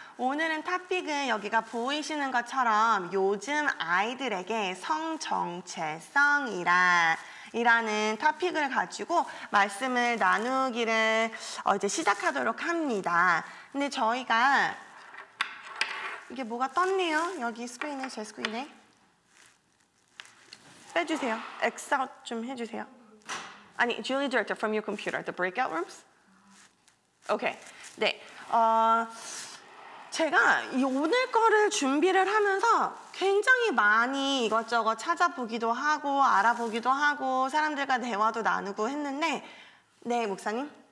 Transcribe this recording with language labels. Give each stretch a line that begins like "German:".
Korean: 오늘은 토픽은 여기가 보이시는 것처럼 요즘 아이들에게 성정체성이라는 토픽을 가지고 말씀을 나누기를 이제 시작하도록 합니다. 근데 저희가 이게 뭐가 떴네요. 여기 스크린에 제 스크린에 빼주세요. 엑셀 좀 해주세요.
English: 아니, Julie Director, from your computer, the breakout rooms? Okay.
Korean: 네. 제가 이 오늘 거를 준비를 하면서 굉장히 많이 이것저것 찾아보기도 하고 알아보기도 하고 사람들과 대화도 나누고 했는데, 네, 목사님.